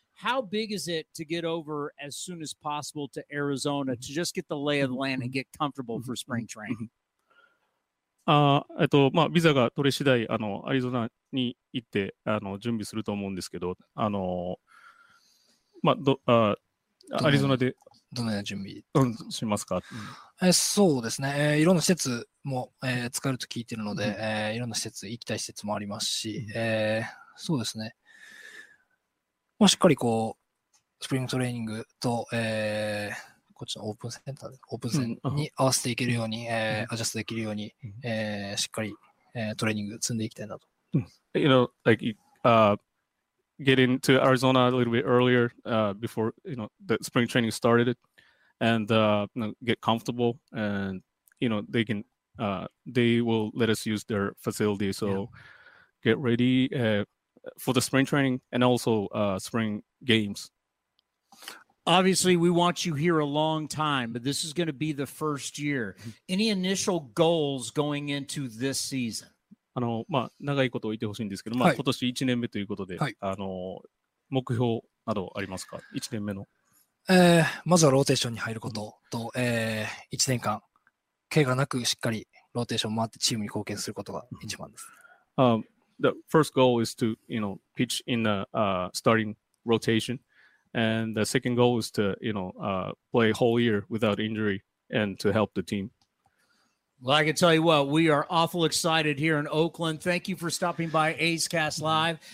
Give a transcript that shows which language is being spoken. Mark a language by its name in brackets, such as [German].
[English] How big is it to get over as soon as possible to Arizona to just get the lay of the land and get comfortable for spring training? [Japanese] まあ、ビザが取れ次第、あの、アリゾナに行って、あの、準備すると思うんですけど、あの、まあ、アリゾナでどのような準備しますか？そうですね、いろんな施設も、使うと聞いているので、うん、いろんな施設、行きたい施設もありますし、うん、そうですね、まあ、しっかりこうスプリングトレーニングと、こっちのオープンセンターで、オープン戦に合わせていけるように、うん、アジャストできるように、うん、しっかり、トレーニング積んでいきたいなと。 [English] うん、you know, like, getting to Arizona a little bit earlier before, you know, the spring training started, and you know, get comfortable, and you know, they can they will let us use their facility, so yeah. Get ready for the spring training and also spring games. Obviously, we want you here a long time, but this is going to be the first year. Any initial goals going into this season? [Japanese] あのまあ、長いことをいてほしいんですけど、まあ、今年1年目ということで、はい、あの目標などありますか ?1 年目の、まずはローテーションに入ることと、1年間怪我なくしっかりローテーション回ってチームに貢献することが一番です。 [English] The first goal is to, you know, pitch in the starting rotation, and the second goal is to, you know, play whole year without injury and to help the team. Well, I can tell you what, we are awful excited here in Oakland. Thank you for stopping by A's Cast Live.